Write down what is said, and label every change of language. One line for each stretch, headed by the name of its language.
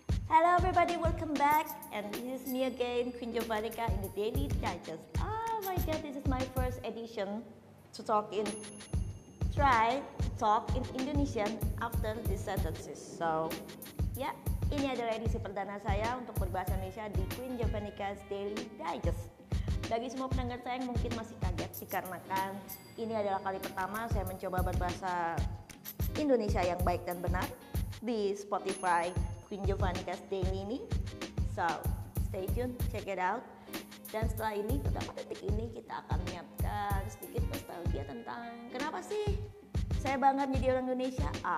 English: Hello everybody, welcome back. And this is me again, Queen Jovanica in the Daily Digest. Oh my god, this is my first edition to talk in. Try to talk in Indonesian after these sentences.
Indonesian: So, yeah, ini adalah edisi perdana saya untuk berbahasa Indonesia di Queen Jovanica's Daily Digest. Bagi semua pendengar saya yang mungkin masih kaget sih, karena kan ini adalah kali pertama saya mencoba berbahasa Indonesia yang baik dan benar di Spotify Queen Jovanica's Daily ini.
English: So, stay tuned, check it out.
Indonesian: Dan setelah ini, pada detik ini kita akan menyiapkan sedikit nostalgia tentang kenapa sih saya bangga menjadi orang Indonesia?